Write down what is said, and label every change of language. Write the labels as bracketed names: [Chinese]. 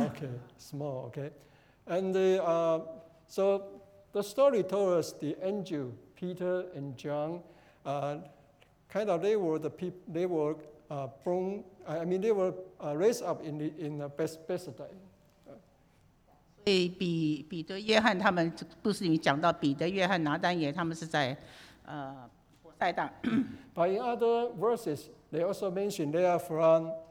[English] Okay, small, okay. And so the story told us the angel, Peter and John, kind of they were the people, they were born, I mean, they were raised up in the Bethsaida. [Chinese] 所以彼得、约翰他们故事里面讲到彼得、约翰、拿但业他们是在 [English] But in other verses, they also mention they are from